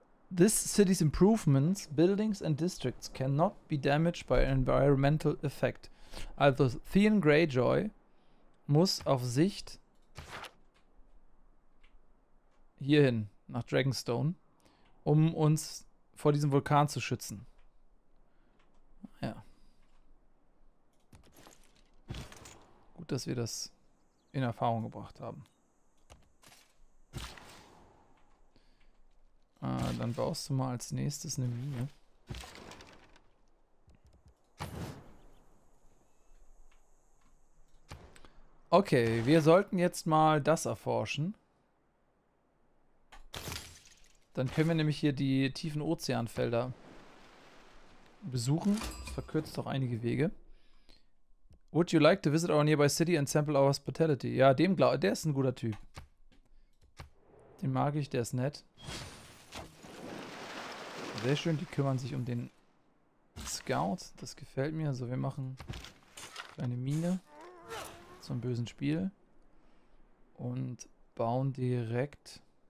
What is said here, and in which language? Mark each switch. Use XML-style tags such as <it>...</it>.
<en>This city's improvements, buildings and districts cannot be damaged by an environmental effect.</en> <de>Also Theon Greyjoy muss auf Sicht hierhin, nach Dragonstone, um uns vor diesem Vulkan zu schützen. Ja. Gut, dass wir das in Erfahrung gebracht haben. Dann baust du mal als nächstes eine Mine. Okay, wir sollten jetzt mal das erforschen. Dann können wir nämlich hier die tiefen Ozeanfelder besuchen. Das verkürzt auch einige Wege.</de> <en>Would you like to visit our nearby city and sample our hospitality?</en> <de>Ja, dem glaube ich, der ist ein guter Typ. Den mag ich, der ist nett. Sehr schön, die kümmern sich um den Scout. Das gefällt mir. So, wir machen eine Mine zum bösen Spiel und bauen direkt.</de>